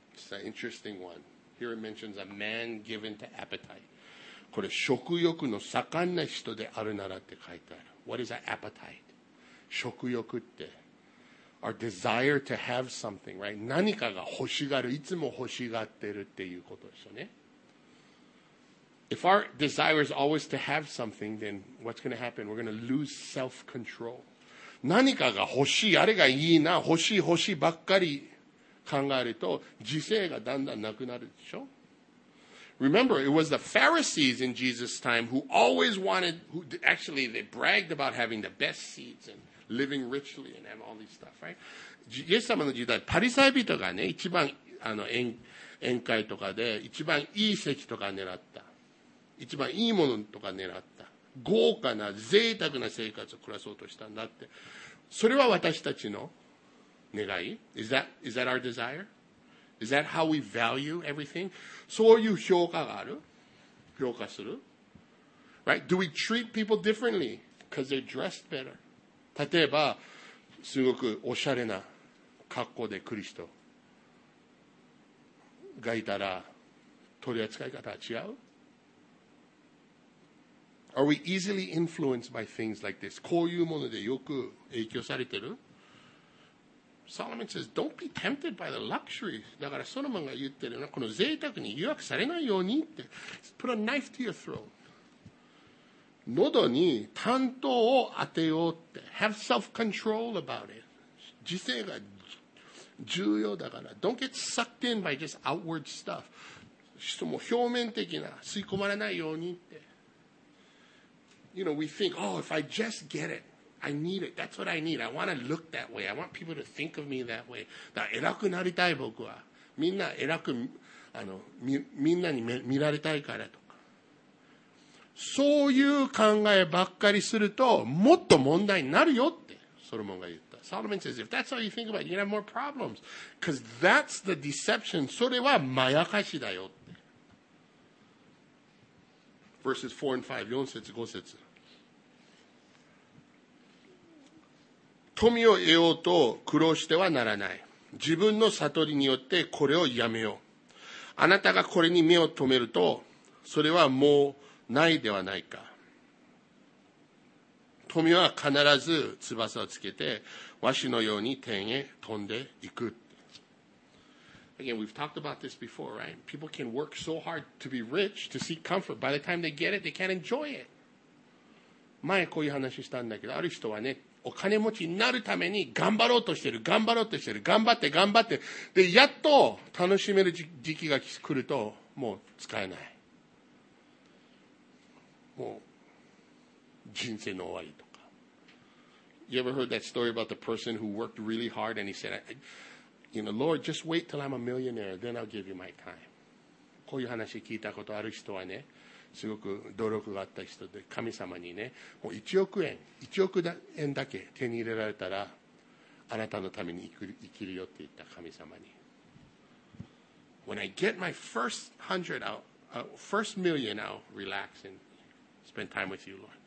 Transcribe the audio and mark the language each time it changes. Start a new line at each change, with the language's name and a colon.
English: An interesting one. Here it mentions a man given to appetite.
Japanese: これ食欲の盛んな人であるならって書いてある。
English: What is an appetite? 食欲って our desire to have something, right?
Japanese: 何かが欲しがる、いつも欲しがってるっていうことですよね。
English: If our desire is always to have something, then what's going to happen? We're going to lose self-control.
Japanese: 何かが欲しい、あれがいいな、欲しい欲しいばっかり考えると自制がだんだんなくなるでしょ。
English: Remember, it was the Pharisees in Jesus' time who always wanted, who actually they bragged about having the best seats and living richly and have all these stuff, right?
Japanese: イエス様の時代、パリサイ人がね、一番宴会とかで一番いい席とか狙った。一番いいものとか狙った。豪華な贅沢な生活を暮らそうとしたんだって。それは私たちの願い?
English: Is that our desire? Is that how we value everything?
Japanese: そういう評価がある?評価する?
English: Right? Do we treat people differently? Because they're dressed better.
Japanese: 例えば、すごくおしゃれな格好で来る人がいたら、取り扱い方は違う?
English: Are we easily influenced by things like this?
Japanese: こういうものでよく影響されてる?
English: Solomon says, don't be tempted by the luxury.
Japanese: だからソロモンが言ってるのは、この贅沢に誘惑されないようにって。
English: Put a knife to your throat.
Japanese: 喉に担当を当てようって。
English: Have self-control about it.
Japanese: 自制が重要だから。
English: Don't get sucked in by just outward stuff.
Japanese: その表面的な吸い込まれないようにって。
English: You know, we think, oh, if I just get it. I need it. That's what I need. I want to look that way. I want people to think of me that way.
Japanese: だから偉くなりたい僕は。みんな偉く、みんなに見られたいからとか。そういう考えばっかりすると、もっと問題になるよって、ソロモンが言った。
English: Solomon says, if that's all you think about, you're going to have more problems. Because that's the deception.
Japanese: それはまやかしだよって。
English: Verses 4 and 5,
Japanese: 4節、5節。富を得ようと苦労してはならない。自分の悟りによってこれをやめよう。あなたがこれに目を留めると、それはもうないではないか。富は必ず翼をつけて、わしのように天へ飛んでいく。
English: Again, we've talked about this before, right? People can work so hard to be rich, to seek comfort. By the time they get it, they can't enjoy it.
Japanese: 前こういう話したんだけど、ある人はね、お金持ちになるために頑張ろうとしてる、頑張ろうとしてる、頑張って頑張って、で、やっと楽しめる時期が来ると、もう使えない。もう、人生の終わりとか。
English: You ever heard that story about the person who worked really hard and he said, you know, Lord, just wait till I'm a millionaire, then I'll give you my time.
Japanese: こういう話聞いたことある人はね、すごく努力があった人で、神様にね、もう1億円だけ手に入れられたら、あなたのために生きるよって言った神様に。
English: When I get my first hundred out, first million, I'll relax and spend time with you, Lord.